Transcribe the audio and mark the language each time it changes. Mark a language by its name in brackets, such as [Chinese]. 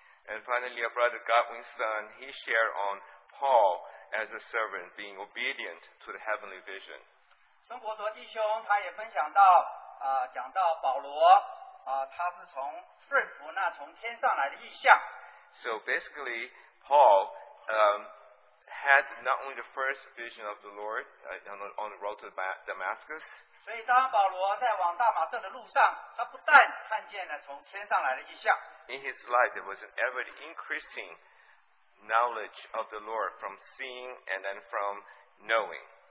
[English] And finally, our brother Godwin's son, he shared on Paul, as a servant, being obedient to the heavenly vision. [Chinese] 中国多弟兄他也分享到,讲到保罗,他是从顺服那从天上来的意象。 [English] So basically, Paul had not only the first vision of the Lord on the road to Damascus. [Chinese] 所以当保罗在往大马色的路上,他不但看见了从天上来的意象。 [English] In his life, there was an ever-increasing knowledge of the Lord from seeing and then from knowing.